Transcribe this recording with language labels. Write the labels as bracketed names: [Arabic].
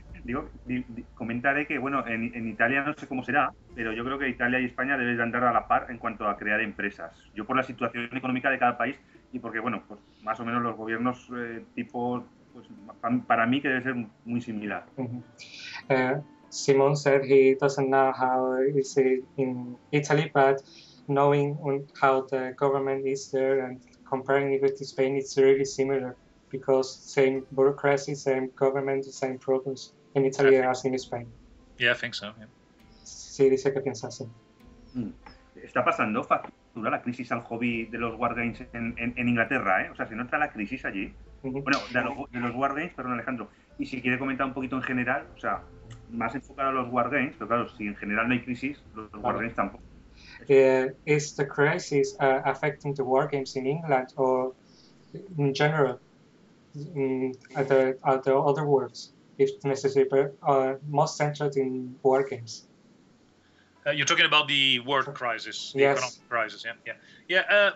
[Spanish] Digo, comentaré que, bueno, en Italia no sé cómo será, pero yo creo que Italia y España deben de andar a la par en cuanto a crear empresas. Yo por la situación económica de cada país y porque, bueno, pues más o menos los gobiernos tipo, pues para mí que debe ser muy similar. [English] Simon said he doesn't know how is it in Italy, but knowing how the government is there and comparing it with Spain, it's really similar because same bureaucracy, same government, same problems. [Spanish] En Italia, así en España. [English] Yeah, I think so. Yeah. [Spanish] Sí, dice que piensa así. ¿Está pasando factura la crisis al hobby de los wargames en Inglaterra, ¿eh? O sea, ¿se nota la crisis allí? Uh-huh. Bueno, de los wargames, perdón, Alejandro. Y si quiere comentar un poquito en general, o sea, más enfocado a los wargames, pero claro, si en general no hay crisis, los wargames tampoco. [English] Is the crisis affecting the wargames in England or in general at the other worlds? If necessary, but most centered in war games. You're talking about the world crisis, economic crisis, yeah.